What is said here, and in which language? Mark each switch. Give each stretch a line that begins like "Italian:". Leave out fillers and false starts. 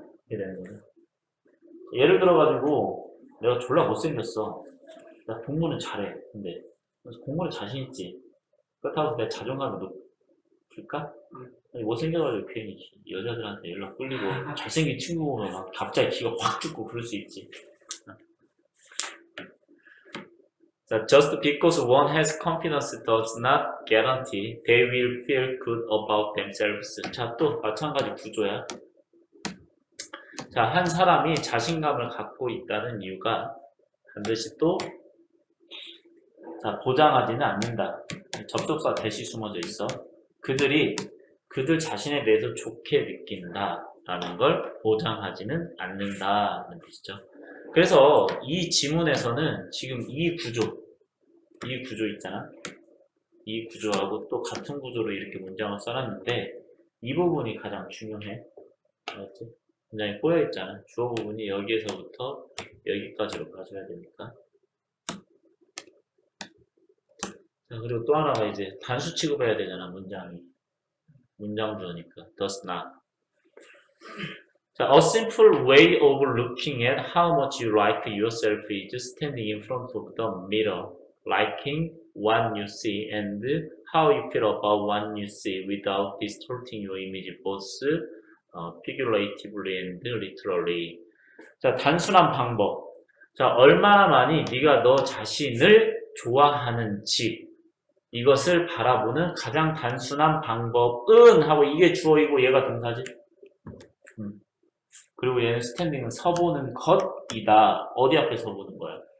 Korean: 이렇게 되는 거야. 예를 들어가지고 내가 졸라 못생겼어. 나 공부는 잘해. 근데 공부는 자신 있지. 그렇다고 내 자존감이 높을까? 아니, 못생겨가지고 괜히 여자들한테 연락 끌리고 잘생긴 친구 보면 막 갑자기 기가 확 죽고 그럴 수 있지.
English: 자, just because one has confidence does not guarantee they will feel good about themselves.
Korean: 자, 또 마찬가지 구조야. 자, 한 사람이 자신감을 갖고 있다는 이유가 반드시 또, 자, 보장하지는 않는다. 접속사 대시 숨어져 있어. 그들 자신에 대해서 좋게 느낀다라는 걸 보장하지는 않는다는 뜻이죠. 그래서 이 지문에서는 지금 이 구조 있잖아. 이 구조하고 또 같은 구조로 이렇게 문장을 써놨는데, 이 부분이 가장 중요해. 알았지? 굉장히 꼬여있잖아. 주어 부분이 여기에서부터 여기까지로 가져야 되니까. 자, 그리고 또 하나가 이제 단수 취급해야 되잖아, 문장이. 문장 주어니까.
English: Does not. 자, a simple way of looking at how much you like yourself is standing in front of the mirror, liking what you see and how you feel about what you see without distorting your image both figuratively and literally.
Korean: 자, 단순한 방법. 자, 얼마나 많이 네가 너 자신을 좋아하는지 이것을 바라보는 가장 단순한 방법은 하고 이게 주어이고 얘가 동사지. 그리고 얘는 스탠딩은 서보는 것이다. 어디 앞에 서보는 거야?